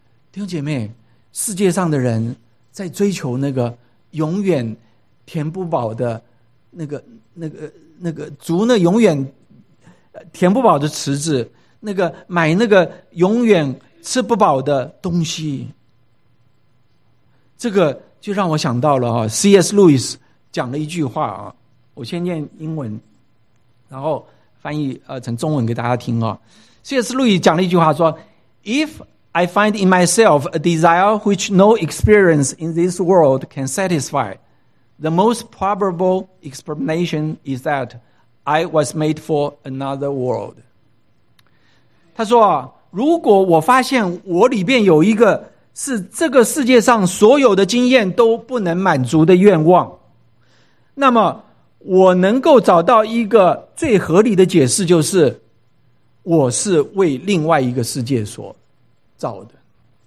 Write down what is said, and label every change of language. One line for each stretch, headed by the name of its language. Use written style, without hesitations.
Chinese: 弟兄姐妹，世界上的人在追求那个永远填不饱的那个足那永远填不饱的池子，那个买那个永远吃不饱的东西。这个就让我想到了C.S. Lewis 讲了一句话啊，我先念英文，然后翻译成中文给大家听啊。
English: C.S. Lewis
Chinese: 讲了一句话说
English: ：“If I find in myself a desire which no experience in this world can satisfy, the most probable explanation is that I was made for another world。”
Chinese: 他说：“如果我发现我里边有一个是这个世界上所有的经验都不能满足的愿望，那么我能够找到一个最合理的解释，就是我是为另外一个世界所造的。”